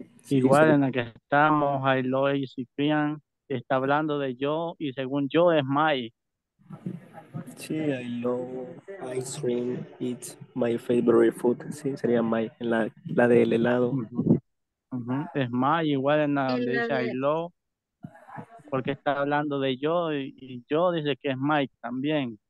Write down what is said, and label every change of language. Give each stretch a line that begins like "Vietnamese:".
Spanish: Igual en la que estamos,
English: I love y Cyprian.
Spanish: Está hablando de yo, y según yo es my.
English: Sí, I love ice cream, it's my favorite food.
Spanish: Sí, sería my, la del helado. Uh-huh. Es my, igual en la de dice
English: I love,
Spanish: porque está hablando de yo, y yo dice que es my también.